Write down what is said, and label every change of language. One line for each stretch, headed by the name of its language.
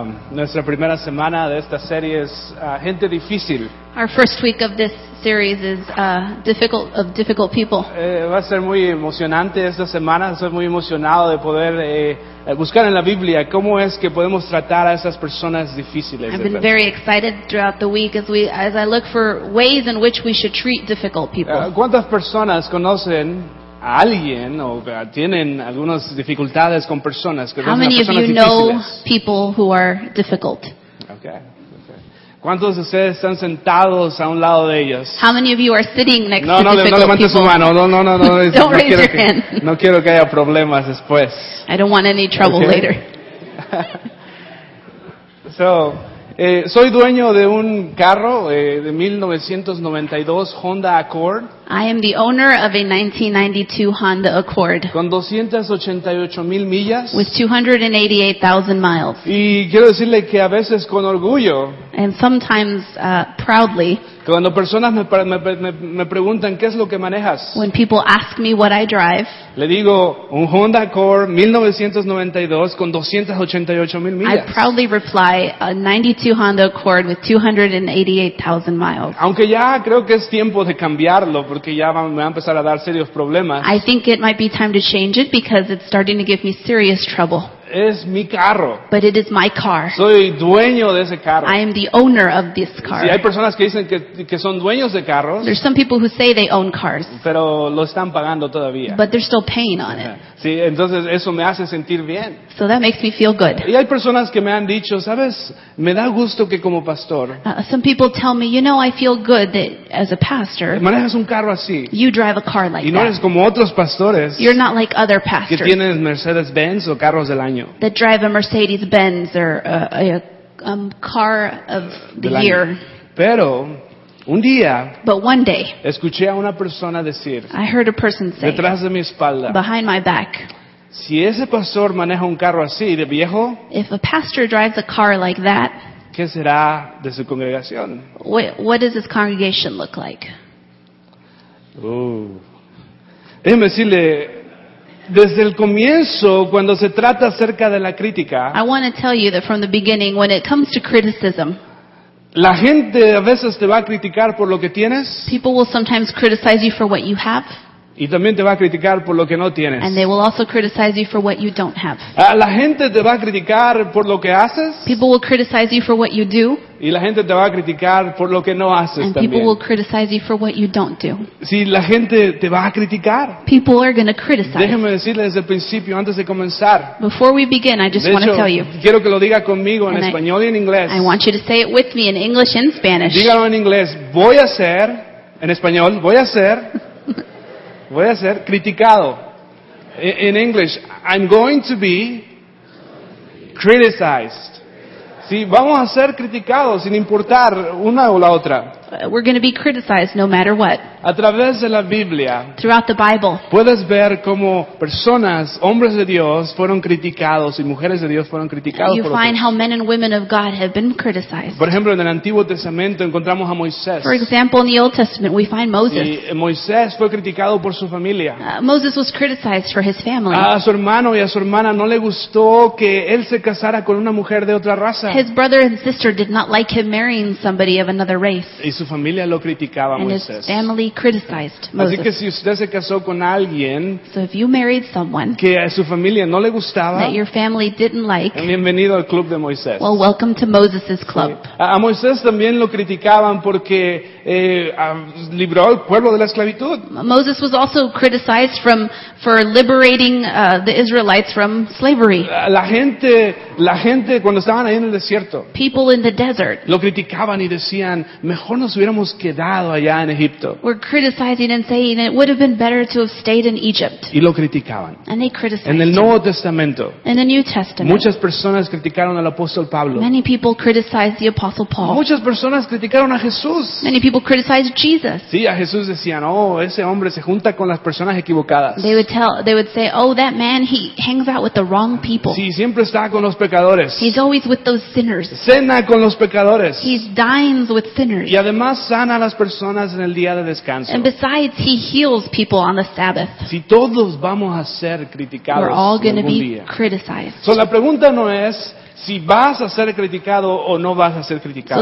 Spanish: Nuestra primera semana de esta serie es gente difícil.
English: Our first week of this series is difficult of difficult people.
Spanish: Va a ser muy emocionante esta semana. Estoy muy emocionado de poder buscar en la Biblia cómo es que podemos tratar a esas personas difíciles.
English: I've been very excited throughout the week as I look for ways in which we should treat difficult people.
Spanish: ¿Cuántas personas conocen a alguien o tienen algunas dificultades con personas que son personas difíciles?
English: How many of you know people who are difficult? Okay.
Spanish: ¿Cuántos de ustedes están sentados a un lado de ellos?
English: How many of you are sitting next
Spanish: no, no,
English: to difficult
Spanish: no levantes
English: people?
Spanish: Su mano. No.
English: Don't
Spanish: no
English: raise your hand.
Spanish: No quiero que haya problemas después.
English: I don't want any trouble okay. later.
Spanish: So, soy dueño de un carro de 1992 Honda Accord.
English: I am the owner of a 1992 Honda Accord.
Spanish: Con 288,000 millas.
English: With 288,000 miles.
Spanish: Y quiero decirle que a veces con orgullo.
English: And sometimes proudly.
Spanish: Cuando personas me preguntan qué es lo que manejas.
English: When people ask me what I drive.
Spanish: Le digo un Honda Accord 1992 con 288,000 millas.
English: I proudly reply a 92 Honda Accord with 288,000 miles.
Spanish: Aunque ya creo que es tiempo de cambiarlo. Porque ya me va a empezar a dar serios problemas.
English: I think it might be time to change it because it's starting to give me serious trouble.
Spanish: Es mi carro.
English: But it is my car.
Spanish: Soy dueño de ese carro.
English: I am the owner of this car.
Spanish: Sí, hay personas que dicen que son dueños de carros.
English: There's some people who say they own cars.
Spanish: Pero lo están pagando todavía.
English: But they're still paying on it.
Spanish: Sí, entonces eso me hace sentir bien.
English: So that makes me feel good.
Spanish: Y hay personas que me han dicho, ¿sabes? Me da gusto que como pastor.
English: Some people tell me, you know, I feel good that as a pastor.
Spanish: Manejas un carro así.
English: You drive a car like
Spanish: that. Y no
English: that.
Spanish: Eres como otros pastores.
English: You're not like other pastors.
Spanish: Que tienen Mercedes-Benz o carros del año.
English: That drive a Mercedes-Benz or a car of the year.
Spanish: Pero un día,
English: but one day,
Spanish: escuché a una persona decir,
English: I heard a person say,
Spanish: detrás de mi espalda,
English: behind my back,
Spanish: si ese pastor maneja un carro así de viejo,
English: if a pastor drives a car like that,
Spanish: ¿qué será de su congregación?
English: What does his congregation look like?
Spanish: Déjeme decirle, desde el comienzo, cuando se trata acerca de la crítica,
English: I want to tell you that from the beginning, when it comes to criticism,
Spanish: la gente a veces te va a criticar por lo que tienes.
English: People will sometimes criticize you for what you have.
Spanish: Y también te va a criticar por lo que no tienes.
English: And they will also criticize you for what you don't have.
Spanish: La gente te va a criticar por lo que haces.
English: People will criticize you for what you do.
Spanish: Y la gente te va a criticar por lo que no haces
English: and
Spanish: también.
English: And people will criticize you for what you don't do.
Spanish: Si la gente te va a criticar.
English: People are going to criticize.
Spanish: Déjame decirle desde el principio, antes de comenzar.
English: Before we begin, I just want to tell you.
Spanish: Quiero que lo diga conmigo en español y en inglés.
English: I want you to say it with me in English and Spanish.
Spanish: Dígalo en inglés. Voy a ser, en español, voy a ser... Voy a ser criticado.
English: In English, I'm going to be criticized.
Spanish: Sí, vamos a ser criticados sin importar una o la otra.
English: We're going to be criticized no matter what.
Spanish: A través de la Biblia.
English: Throughout the Bible.
Spanish: Puedes ver cómo personas, hombres de Dios, fueron criticados y mujeres de Dios fueron criticados.
English: You find how men and women of God have been criticized.
Spanish: Por ejemplo, en el Antiguo Testamento encontramos a Moisés.
English: For example, in the Old Testament we find Moses.
Spanish: Y Moisés fue criticado por su familia.
English: Moses was criticized for his family.
Spanish: A su hermano y a su hermana no le gustó que él se casara con una mujer de otra raza.
English: His brother and sister did not like him marrying somebody of another race.
Spanish: Y su familia lo criticaba a Moisés.
English: His family criticized Moses.
Spanish: Así que si usted se casó con alguien,
English: so if you married someone
Spanish: que a su familia no le gustaba,
English: that your family didn't like,
Spanish: bienvenido al club de Moisés.
English: Well, welcome to Moses' club.
Spanish: Sí. A Moisés también lo criticaban porque liberó al pueblo de la esclavitud.
English: Moses was also criticized for liberating the Israelites from slavery.
Spanish: La gente cuando estaban ahí en el desierto,
English: people in the desert,
Spanish: lo criticaban y decían, mejor nos hubiéramos quedado allá en Egipto.
English: Were criticizing and saying it would have been better to have stayed in Egypt.
Spanish: Y lo criticaban.
English: And they criticized.
Spanish: En el Nuevo Testamento,
English: in the New Testament,
Spanish: muchas personas criticaron al apóstol Pablo.
English: Many people criticized the apostle Paul.
Spanish: Muchas personas criticaron a Jesús.
English: Many people criticized Jesus.
Spanish: Sí, a Jesús decían, oh, ese hombre se junta con las personas equivocadas.
English: They would say, oh, that man, he hangs out with the wrong people.
Spanish: Sí, siempre está con los pecadores.
English: He's always with those sinners.
Spanish: Cena con los pecadores.
English: He dines with sinners.
Spanish: Y además sana a las personas en el día de descanso.
English: And besides, he heals people on the Sabbath.
Spanish: Si todos vamos a ser criticados,
English: we're all going to be criticized.
Spanish: So la pregunta no es si vas a ser criticado o no vas a ser criticado.